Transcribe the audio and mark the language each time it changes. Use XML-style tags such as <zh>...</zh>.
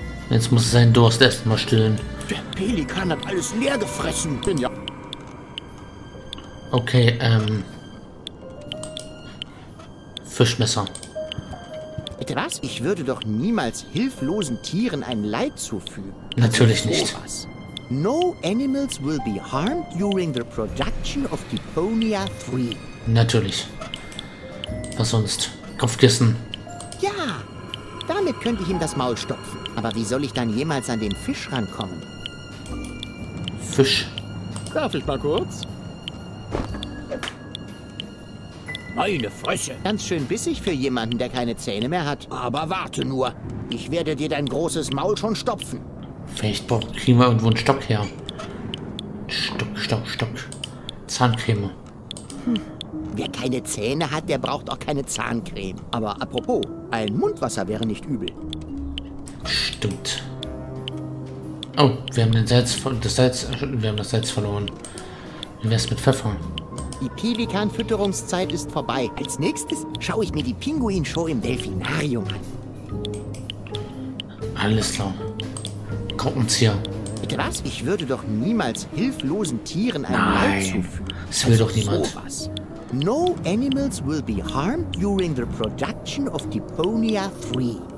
<de>Jetzt muss sein Durst erstmal stillen. Der Pelikan hat alles leer gefressen. Bin ja. Okay, Fischmesser. Bitte was? Ich würde doch niemals hilflosen Tieren ein Leid zufügen. Natürlich nicht. Was?</de> <en>No animals will be harmed during the production of Deponia 3.</en> <de>Natürlich. Was sonst? Kopfkissen. Ja, damit könnte ich ihm das Maul stopfen. Aber wie soll ich dann jemals an den Fisch rankommen? Fisch. Darf ich mal kurz? Meine Frösche. Ganz schön bissig für jemanden, der keine Zähne mehr hat. Aber warte nur. Ich werde dir dein großes Maul schon stopfen. Vielleicht kriegen wir irgendwo einen Stock her. Stock, Stock, Stock. Zahncreme. Wer keine Zähne hat, der braucht auch keine Zahncreme. Aber apropos, ein Mundwasser wäre nicht übel. Stimmt. Oh, wir haben den Salz, das Salz, wir haben das Salz verloren. Wie wär's mit Pfeffer? Die Pelikan-Fütterungszeit ist vorbei. Als nächstes schaue ich mir die Pinguin-Show im Delfinarium an. Alles klar. Korkenzieher. Bitte was? Ich würde doch niemals hilflosen Tieren ein Leid zufügen. Das will also doch niemand. Sowas.</de> <en>No animals will be harmed during the production of Deponia 3.</en>